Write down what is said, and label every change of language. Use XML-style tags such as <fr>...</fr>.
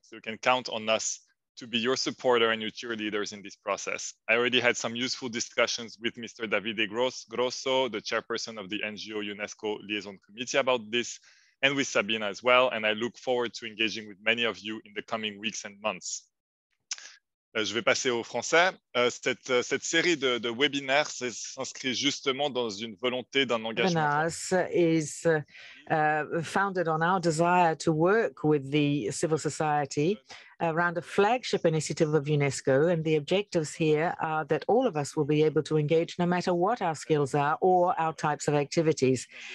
<en>So you can count on us to be your supporter and your cheerleaders in this process. I already had some useful discussions with Mr. Davide Grosso, the chairperson of the NGO UNESCO Liaison Committee about this, and with Sabina as well, and I look forward to engaging with many of you in the coming weeks and months.</en> <fr>Je vais passer au français. Cette série de webinaires s'inscrit justement dans une volonté d'un engagement.</fr> <en>Webinars is founded on our desire to work with the civil society around a flagship initiative of UNESCO, and the objectives here are that all of us will be able to engage no matter what our skills are or our types of activities.</en>